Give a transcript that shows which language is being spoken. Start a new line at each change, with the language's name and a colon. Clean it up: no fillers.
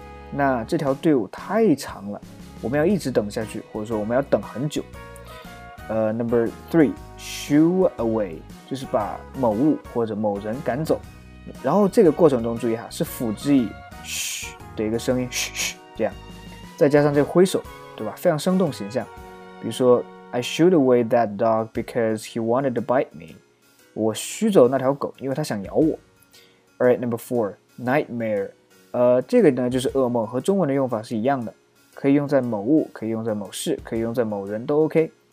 Chinese: 那这条队伍太长了，我们要一直等下去，或者说我们要等很久。
English: Number three, shoo away,
Chinese: 就是把某物或者某人赶走。然后这个过程中注意哈，是辅之以嘘的一个声音，嘘嘘这样，再加上这个挥手，对吧？非常生动形象。
English: 比如说 ，I shooed away that dog because he wanted to bite me。
Chinese: 我嘘走那条狗，因为它想咬我。
English: Alright, number four, nightmare。
Chinese: 这个呢就是噩梦，和中文的用法是一样的，可以用在某物，可以用在某事，可以用在某人都 OK。